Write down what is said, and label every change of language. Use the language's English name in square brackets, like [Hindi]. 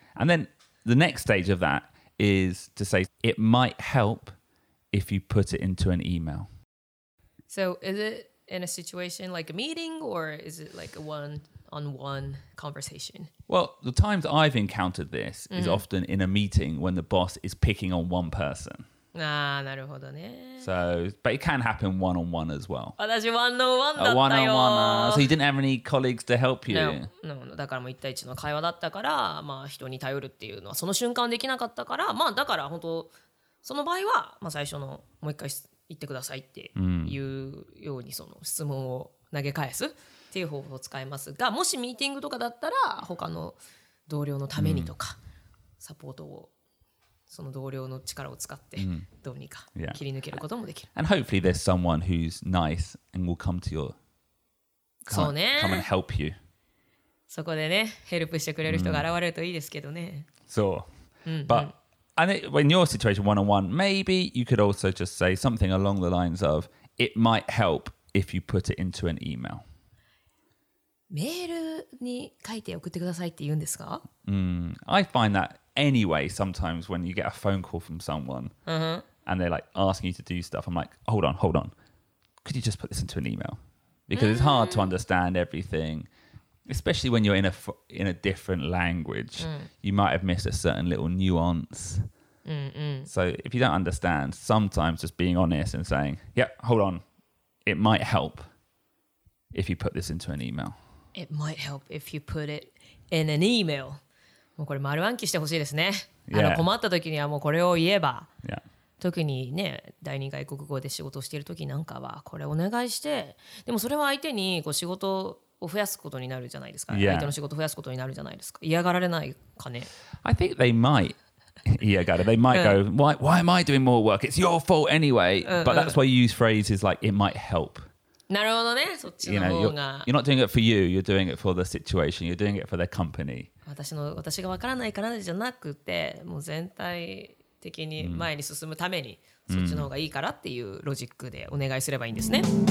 [English] And then the next stage of that is to say it might help if you put it into an email. So is it in a situation like a meeting or is it like a one-on-one conversation? Well, the times I've encountered this、mm-hmm. is often in a meeting when the boss is picking on one person. [Japanese] ああなるほどね。 [English] So, but it can happen one on one as well. [Japanese] 私one-on-one だったよ。 [English] One on one. So you didn't have any colleagues to help you. No, no. [Japanese] だからもう一対一の会話だったから、まあ人に頼るっていうのはその瞬間できなかったから、まあだから本当その場合は、まあ最初のもう一回言ってくださいっていうようにその質問を投げ返すっていう方法を使いますが、もしミーティングとかだったら他の同僚のためにとかサポートを。その同僚の力を使ってどうにか切り抜けることもできる。 [English] Yeah. And hopefully there's someone who's nice and will come to your [Japanese] そうね。 [English] come and help you. [Japanese] そこでね、ヘルプしてくれる人が現れるといいですけどね。そう。 [English] But I think when your situation one on one, maybe you could also just say something along the lines of it might help if you put it into an email. [Japanese] メールに書いて送ってくださいって言うんですか？ [English] I find that. Anyway, sometimes when you get a phone call from someone、 uh-huh. and they're like asking you to do stuff, I'm like, hold on, hold on. Could you just put this into an email? Because、mm-hmm. it's hard to understand everything, especially when you're in a different language.、 Mm. You might have missed a certain little nuance.、 Mm-hmm. So if you don't understand, sometimes just being honest and saying, yeah, hold on. It might help if you put this into an email. It might help if you put it in an email. [Japanese] もうこれ丸暗記してほしいですね。 [English] Yeah. [Japanese] あの困った時にはもうこれを言えば、 [English] yeah. [Japanese] 特にね、第二外国語で仕事をしている時なんかはこれお願いして、でもそれは相手にこう仕事を増やすことになるじゃないですか。 [English] Yeah. [Japanese] 相手の仕事を増やすことになるじゃないですか。嫌がられないかね。 [English] I think they might. Iyagare. They might go, why am I doing more work? It's your fault anyway. But that's why you use phrases like, it might help. [Japanese] なるほどね。そっちの方が。 [English] You're not doing it for you. You're doing it for the situation. You're doing it for the company. [Japanese] 私がわからないからじゃなくて、もう全体的に前に進むために、そっちの方がいいからっていうロジックでお願いすればいいんですね。